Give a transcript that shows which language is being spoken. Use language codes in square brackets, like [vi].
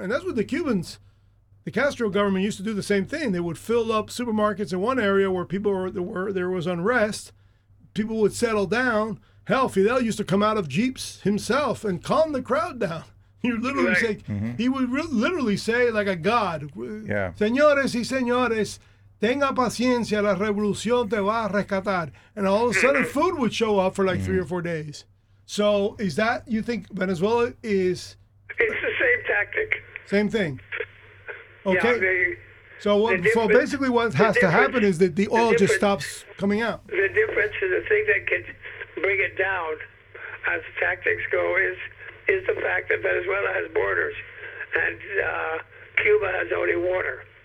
[en] And that's what the Cubans, the Castro government used to do the same thing. They would fill up supermarkets in one area where people were there was unrest. People would settle down. Hell, Fidel used to come out of jeeps himself and calm the crowd down. He would literally say, mm-hmm. he would literally say like a god. Yeah. [es] Señores y señores, tenga paciencia, la revolución te va a rescatar. [en] And all of a sudden food would show up for like 3 or 4 days. So is that, you think Venezuela is? It's the same tactic. Same thing. Okay. Yeah, what has to happen is that the oil just stops coming out. The difference is the thing that can bring it down as tactics go is the fact that Venezuela has borders and Cuba has only water.